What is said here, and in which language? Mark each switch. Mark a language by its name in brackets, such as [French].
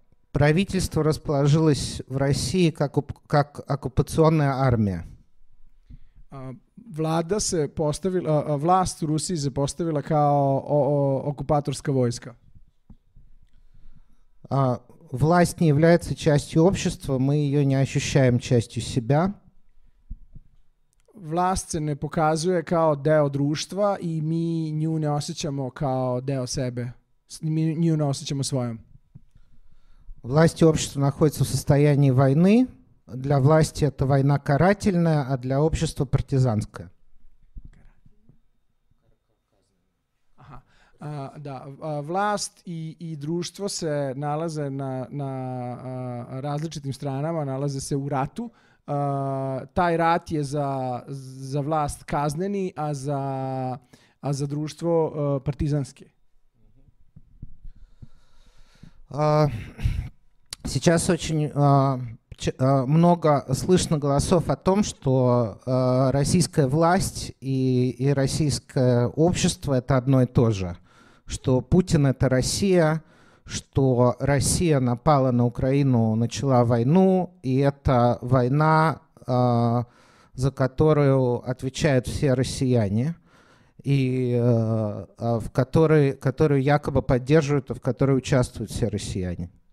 [Russian] Правительство расположилось в России как оккупационная армия. [Serbian] Влада се поставила, власт у Руси се поставила као окупаторска војска. [Russian] Власт не является частью общества, мы ее не ощущаем частью себя. [Serbian] Власт се не показује као део друштва и ми њу не осећамо као део себе, ми њу не осећамо својом. [Russian] Власть и общество находится в состоянии войны. Для власти это война карательная, а для общества партизанская. [Serbian] Да, власть и дружество се налазе на различитим странама, налазе се у рату. Тај рат је за власт казнени, а за дружство партизански. [Russian] Сейчас очень много слышно голосов о том, что российская власть и российское общество – это одно и то же. Что Путин – это Россия, что Россия напала на Украину, начала войну, и это война, за которую отвечают все россияне, и в которую якобы поддерживают, и в которой участвуют все россияне.